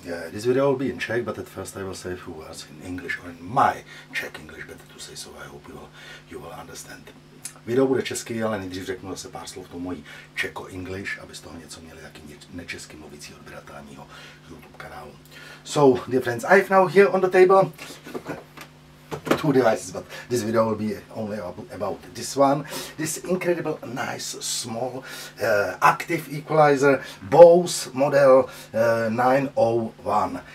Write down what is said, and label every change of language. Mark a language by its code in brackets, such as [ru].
[en] This video will be in Czech, but at first I will say a few words in English or in my Czech English, better to say, so I hope you will understand. [cs] Video bude český, ale nejdřív řeknu zase pár slov tomu mojí [en] Czech English, [cs] aby z toho něco měli taky nečesky mluvící odběratelé mýho YouTube kanálu. [en] So, dear friends, I have now here on the table two devices, but this video will be only about this one. This incredible, nice, small, active equalizer, Bose model 901.